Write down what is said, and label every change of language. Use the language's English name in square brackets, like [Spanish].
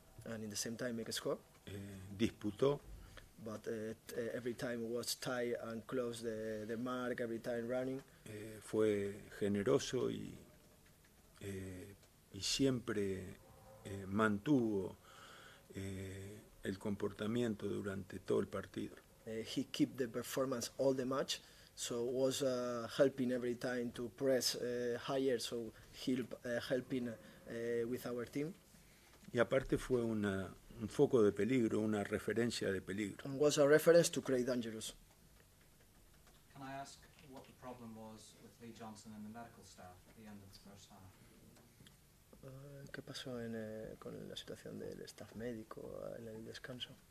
[English] And in the same time make a score. [Spanish] Disputó. [English] But every time was tied and close the mark, every time running. [Spanish] Fue generoso y siempre mantuvo el comportamiento durante todo el partido. [English] He kept the performance all the match. So was helping every time to press higher, so helping with our team. [Spanish] Y aparte fue un foco de peligro, una referencia de peligro. [English] And was a reference to create dangerous. Can I ask what the problem problem was with Lee Johnson and the medical staff at the end of the first half? [Spanish] ¿Qué pasó en, con la situación del staff médico en el descanso?